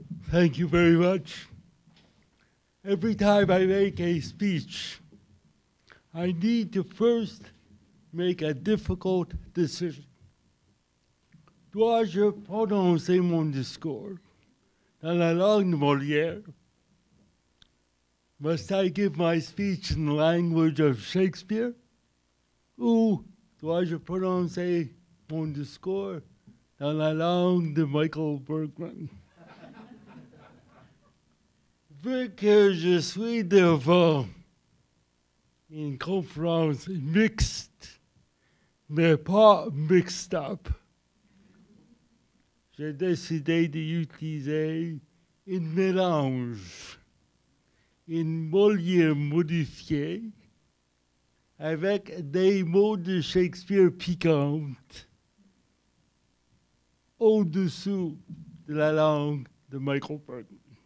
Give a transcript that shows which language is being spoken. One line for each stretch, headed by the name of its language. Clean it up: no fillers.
English: Thank you very much. Every time I make a speech, I need to first make a difficult decision.
French: Dois-je prononcer mon discours dans la langue de Molière?
English: Must I give my speech in the language of Shakespeare?
French: Ou dois-je prononcer mon discours dans la langue de Michael Bergman? Vu que je suis devant une conférence mixte, mais pas
English: mixed up,
French: j'ai décidé d'utiliser un mélange, une Molière modifiée, avec des mots de Shakespeare piquants au-dessous de la langue de Michael Bergman.